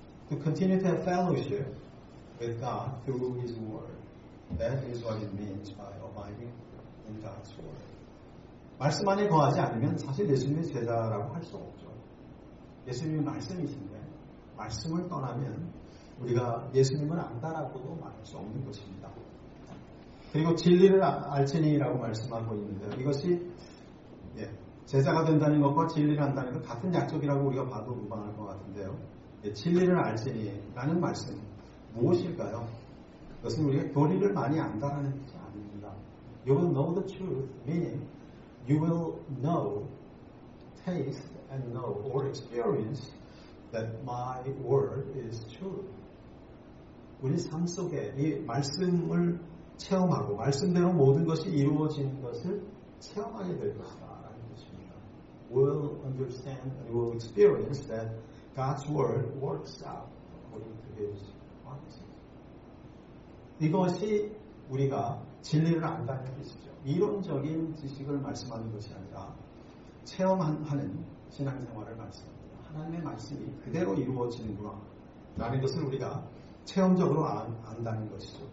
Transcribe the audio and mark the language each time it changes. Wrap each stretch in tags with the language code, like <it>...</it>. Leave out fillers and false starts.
<en>To continue to have fellowship with God through His word. That is what it means by abiding in God's word.</en> <ko>말씀 안에 거하지 않으면 사실 예수님의 제자라고 할 수 없죠. 예수님이 말씀이신데 말씀을 떠나면 우리가 예수님을 안다라고도 말할 수 없는 것입니다. 그리고 진리를 알지니라고 말씀하고 있는데 이것이 예, 제자가 된다는 것과 진리를 안다는 것 같은 약속이라고 우리가 봐도 무방할 것 같은데요. 예, 진리를 알지니라는 말씀 무엇일까요? 그것은 우리가 도리를 많이 안다라는 뜻이 아닙니다.</ko> <en>You will know the truth, meaning you will know, taste, and know, or experience that my word is true.</en> <ko>우리 삶 속에 이 말씀을 체험하고 말씀대로 모든 것이 이루어진 것을 체험하게 될 것이다 라는 것입니다.</ko> <en>We'll understand and we'll experience that God's word works out according to His promises.</en> <ko>이것이 우리가 진리를 안다는 것이죠. 이론적인 지식을 말씀하는 것이 아니라 체험하는 신앙생활을 말씀합니다. 하나님의 말씀이 그대로 이루어지는구나 라는 것을 우리가 체험적으로 안다는 것이죠.</ko>